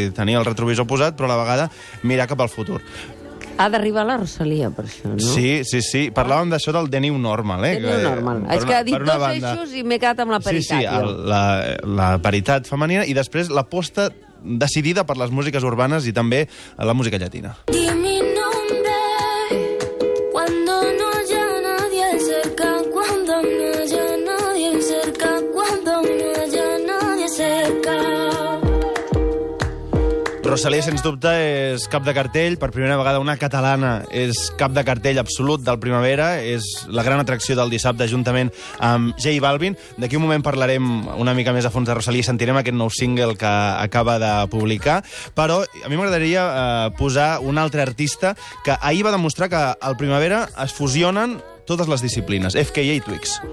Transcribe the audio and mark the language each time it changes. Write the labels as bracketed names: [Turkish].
[Catalan] Tenir el retrovisor posat, però a la vegada mirar cap al futur. Ha d'arribar la Rosalía, per això, no? Sí, sí, sí. Parlàvem d'això del The New Normal, eh? The New Normal. És que ha dit dos eixos i m'he quedat amb la paritat. Sí, sí, la paritat femenina i després l'aposta decidida per les músiques urbanes i també la música llatina. [Spanish] Dime nombre cuando no haya nadie cerca, cuando no haya nadie cerca, cuando no haya nadie cerca. [Catalan] Rosalía, sens dubte, és cap de cartell. Per primera vegada una catalana és cap de cartell absolut del Primavera. És la gran atracció del dissabte, juntament amb J Balvin. D'aquí un moment parlarem una mica més a fons de Rosalía i sentirem aquest nou single que acaba de publicar. Però a mi m'agradaria posar un altre artista que ahir va demostrar que al Primavera es fusionen totes les disciplines. FKA i Twix.